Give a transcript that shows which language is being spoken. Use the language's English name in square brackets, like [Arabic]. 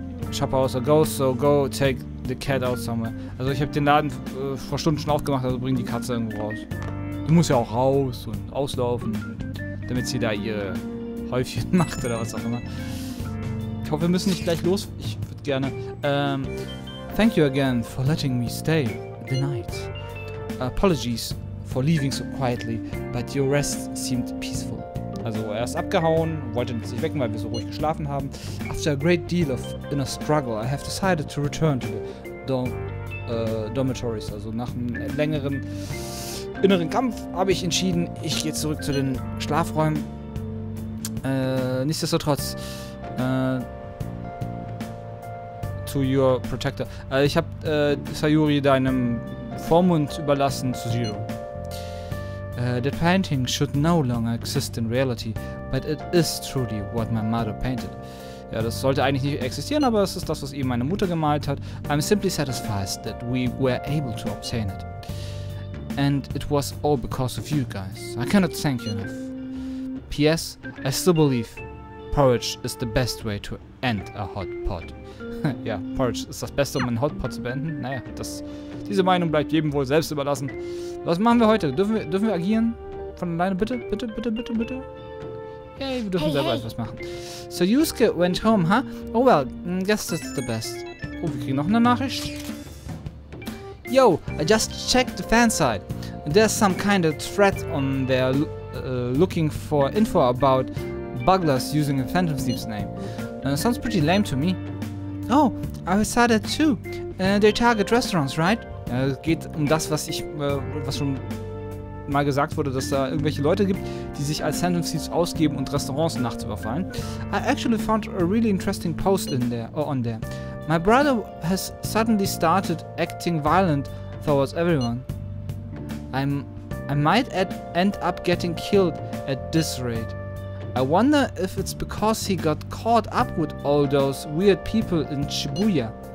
[English] Shop house or go, so go take the cat out somewhere. [German] Also ich habe den Laden vor Stunden schon aufgemacht, also bring die Katze irgendwo raus. Du musst ja auch raus und auslaufen, damit sie da ihre Häufchen macht oder was auch immer. Ich hoffe, wir müssen nicht gleich los. Ich würde gerne. [English] Thank you again for letting me stay the night. Apologies for leaving so quietly, but your rest seemed peaceful. [German] Also er ist abgehauen, wollte sich wecken, weil wir so ruhig geschlafen haben. [English] After a great deal of inner struggle, I have decided to return to the dormitories. [German] Also nach einem längeren inneren Kampf habe ich entschieden, ich gehe zurück zu den Schlafräumen. Nichtsdestotrotz, [English] to your protector. [German] Ich habe Sayuri deinem Vormund überlassen zu Zero. [English] The painting should no longer exist in reality, but it is truly what my mother painted. [German] Ja, das sollte eigentlich nicht existieren, aber es ist das, was ihm meine Mutter gemalt hat. [English] I'm simply satisfied that we were able to obtain it. And it was all because of you guys. I cannot thank you enough. P.S. I still believe porridge is the best way to end a hot pot. [German] Ja, porridge ist das Beste, um einen Hot Pot zu beenden. Naja, diese Meinung bleibt jedem wohl selbst überlassen. Was machen wir heute? Dürfen wir agieren? Von alleine? Bitte? Yay, wir dürfen selber etwas machen. [English] So Yusuke went home, huh? Oh well, guess that's the best. [German] Oh, wir kriegen noch eine Nachricht. [English] Yo, I just checked the fan site. There's some kind of threat on there looking for info about bugglers using a Phantom Thief's name. Sounds pretty lame to me. Oh, I saw that too. They target restaurants, right? [German] Geht um das, was schon mal gesagt wurde, dass da irgendwelche Leute gibt, die sich als Phantom Thieves ausgeben und Restaurants nachts überfallen. [English] I actually found a really interesting post on there. My brother has suddenly started acting violent towards everyone. I might end up getting killed at this rate. I wonder if it's because he got caught up with all those weird people in Shibuya.